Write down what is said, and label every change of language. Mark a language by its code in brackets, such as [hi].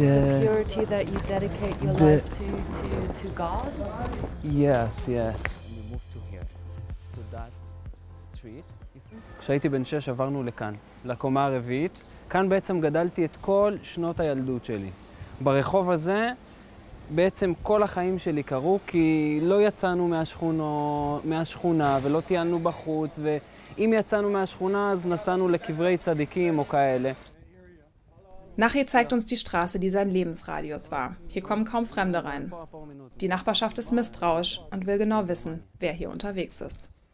[en] The purity that you dedicate your life to God? Yes, yes. And you move to here, to that street. [he] כשהייתי בן 6 עברנו לכאן, לקומה הרביעית. כאן בעצם גדלתי את כל שנות הילדות שלי. ברחוב הזה בעצם כל החיים שלי קרו, כי לא יצאנו מהשכונה ולא טיילנו בחוץ, ואם יצאנו מהשכונה אז נסענו לקברי צדיקים או כאלה. [de] Nachi zeigt uns die Straße, die sein Lebensradius war. Hier kommen kaum Fremde rein. Die Nachbarschaft ist misstrauisch und will genau wissen, wer hier unterwegs ist.